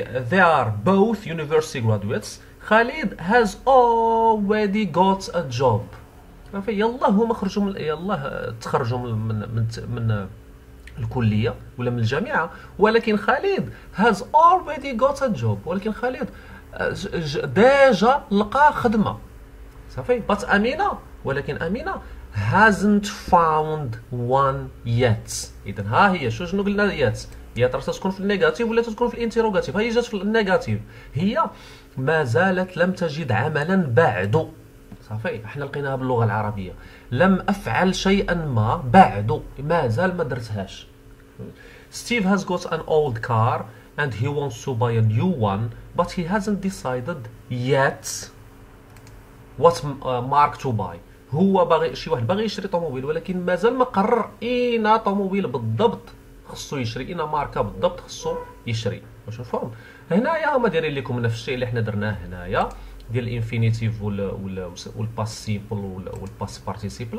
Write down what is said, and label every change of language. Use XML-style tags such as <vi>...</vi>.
<en>they are both university graduates. Khalid has already got a job صافي.</en> <ar>يلاه هما خرجوا من يلاه تخرجوا من الكليه ولا من الجامعه، ولكن خالد</ar> <en>has already got a job.</en> <ar>ولكن خالد ديجا لقى خدمه صافي. بات امينه، ولكن امينه</ar> <en>hasn't found one yet.</en> <ar>اذا ها هي شو شنو قلنا yet؟ يا ترى تكون في النيجاتيف ولا تكون في الانتروغاتيف. هي جات في النيجاتيف، هي ما زالت لم تجد عملا بعد صافي. احنا لقيناها باللغه العربيه، لم افعل شيئا ما بعد، ما زال ما درتهاش.</ar> <en>Steve has got an old car and he wants to buy a new one but he hasn't decided yet what mark to buy.</en> <ar>هو باغي شي واحد باغي يشري طوموبيل ولكن مازال ما قرر اين طوموبيل بالضبط خصو يشري، اين ماركه بالضبط خصو يشري. واش فهم هنايا؟ هما دايرين لكم نفس الشيء اللي حنا درناه هنايا ديال الانفينيتيف والباس سيمبل والباس بارتيسيبل.</ar>